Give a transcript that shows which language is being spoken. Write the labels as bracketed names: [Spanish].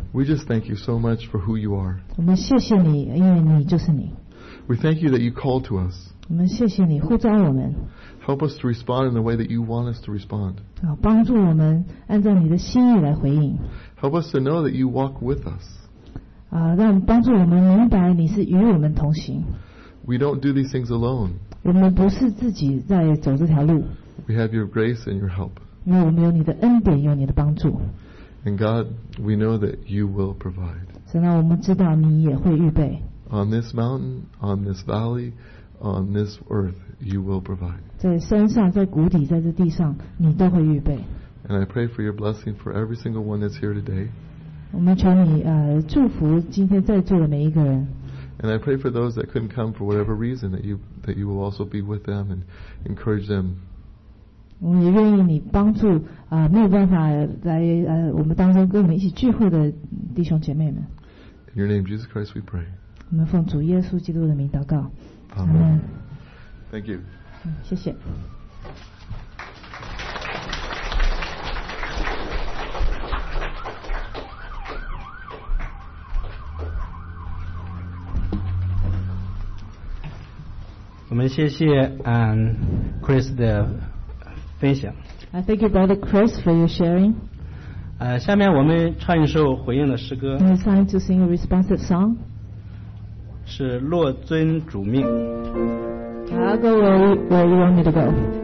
[English] We just thank you so much for who you are. [Chinese] 我们谢谢你，因为你就是你。 [English] We thank you that you call to us. [Chinese] 我们谢谢你呼召我们。 [English] Help us to respond in the way that you want us to respond. [Chinese] 帮助我们按照你的心意来回应。 [English] Help us to know that you walk with us. [Chinese] 让帮助我们明白你是与我们同行。 [English] We don't do these things alone. [Chinese] 我们不是自己在走这条路。 [English] We have your grace and your help. [Chinese] 那我们有你的恩典，有你的帮助。 [English] And God, we know that you will provide. [Chinese] 神啊，我们知道你也会预备。 [English] On this mountain, on this valley, on this earth, you will provide. [Chinese] 在山上，在谷底，在这地上，你都会预备。 [English] And I pray for your blessing for every single one that's here today. [Chinese] 我们求你祝福今天在座的每一个人。 [English] And I pray for those that couldn't come for whatever reason that you will also be with them and encourage them. [Chinese] 我们也愿意你帮助没有办法来我们当中跟我们一起聚会的弟兄姐妹们。 [English] In your name, Jesus Christ, we pray. [Chinese] 我们奉主耶稣基督的名祷告。 [English] Amen. Thank you. [Chinese] 谢谢。我们谢谢Chris 的分享。 [English] I thank you, Brother Chris, for your sharing. [Chinese] 下面我们唱一首回应的诗歌。 [English] It's time to sing a responsive song. [Chinese] 是若遵主命。 [English] I'll go where you want me to go.